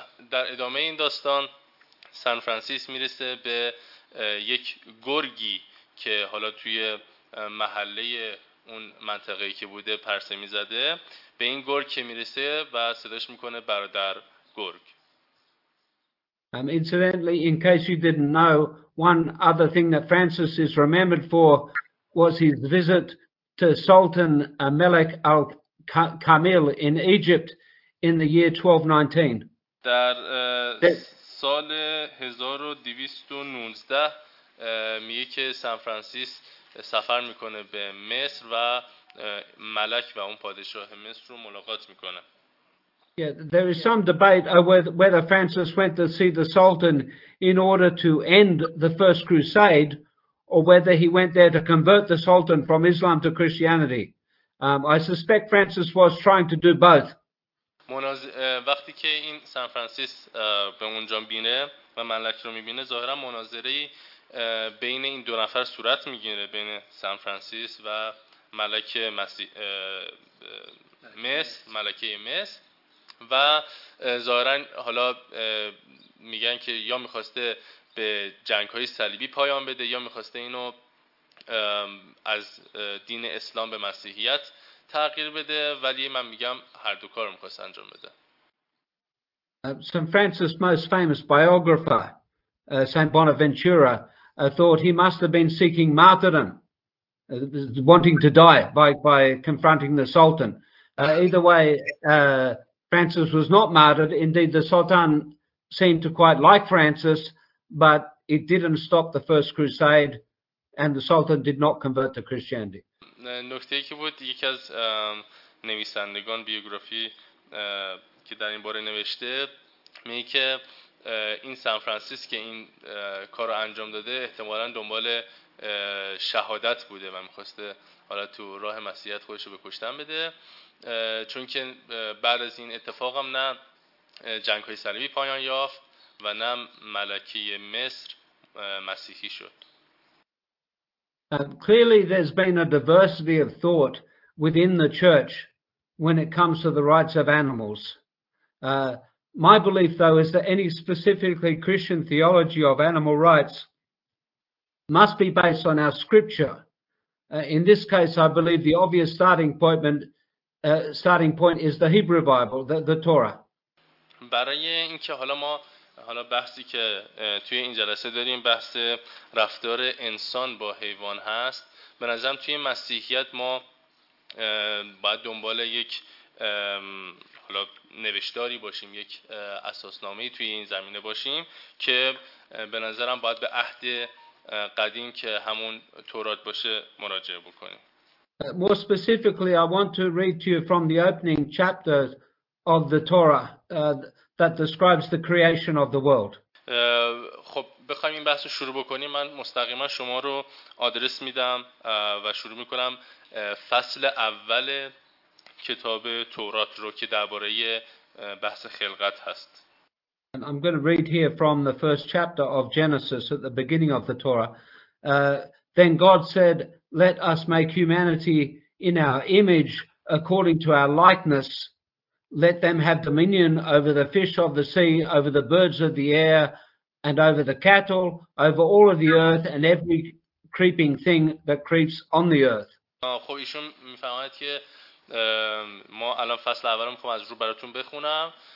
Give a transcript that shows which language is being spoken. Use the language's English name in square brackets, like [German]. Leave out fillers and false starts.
[Persian] در ادامه این داستان سان فرانسیس میرسه به یک گرگی که حالا توی محله اون منطقه‌ای که بوده پرسه میزده، به این گرگ که میرسه و صداش میکنه برادر گرگ. [English] Incidentally, in case you didn't know, one other thing that Francis is remembered for was his visit to Sultan Malik al-Kamil in Egypt in the year 1219. [Persian] در سال 1219 میگه که سان فرانسیس سفر میکنه به مصر و ملک و اون پادشاه مصر رو ملاقات میکنه. [English] Yeah, there is some debate over whether Francis went to see the Sultan in order to end the First Crusade or whether he went there to convert the Sultan from Islam to Christianity. I suspect Francis was trying to do both. [Persian] وقتی که این سان فرانسیس به اونجا میبینه و ملک رو میبینه، ظاهرا مناظره بین این دو نفر صورت میگیره، بین سان فرانسیس و ملک مصر، ملکه مصر. و ظاهرا حالا میگن که یا میخواسته به جنگ‌های صلیبی پایان بده یا میخواسته اینو از دین اسلام به مسیحیت تغییر بده، ولی من میگم هر دو کار رو میخواست انجام بده. [English] Saint Francis' most famous biographer, Saint Bonaventura, thought he must have been seeking martyrdom, wanting to die by confronting the Sultan. Either way, Francis was not martyred. Indeed, the Sultan seemed to quite like Francis, but it didn't stop the First Crusade, and the Sultan did not convert to Christianity. [Persian] نکته‌ای که بود، یکی از نویسندگان بیوگرافی که در این باره نوشته، میگه که این سان فرانسیس که این کار رو انجام داده، احتمالاً دنبال شهادت بوده و میخواسته حالا تو راه مسیحیت خودش رو به کشتن بده، چون که بعد از این اتفاق هم نه جنگ های صلیبی پایان یافت و نه ملکی مصر مسیحی شد. [English] Clearly there's been a diversity of thought within the church when it comes to the rights of animals. My belief though is that any specifically Christian theology of animal rights must be based on our scripture. In this case I believe the obvious starting point is the Hebrew Bible, the Torah. [Persian] برای اینکه حالا ما حالا بحثی که توی این جلسه داریم بحث رفتار انسان با حیوان هست، به نظرم توی مسیحیت ما باید دنبال یک حالا نوشتاری باشیم، یک اساسنامه‌ای توی این زمینه باشیم که به نظرم باید به عهد قدیم که همون تورات باشه مراجعه بکنیم. [English] More specifically, I want to read to you from the opening chapter of the Torah that describes the creation of the world. [Persian] خب بخوایم این بحث رو شروع بکنیم، من مستقیما شما رو آدرس میدم و شروع میکنم فصل اول کتاب تورات رو که درباره بحث خلقت هست. [English] And I'm going to read here from the first chapter of Genesis at the beginning of the Torah. Then God said, "Let us make humanity in our image, according to our likeness. Let them have dominion over the fish of the sea, over the birds of the air, and over the cattle, over all of the earth, and every creeping thing that creeps on the earth." [Persian] خب ایشون میفهمد که ما الان فصل اولم خب از رو براتون بخونم.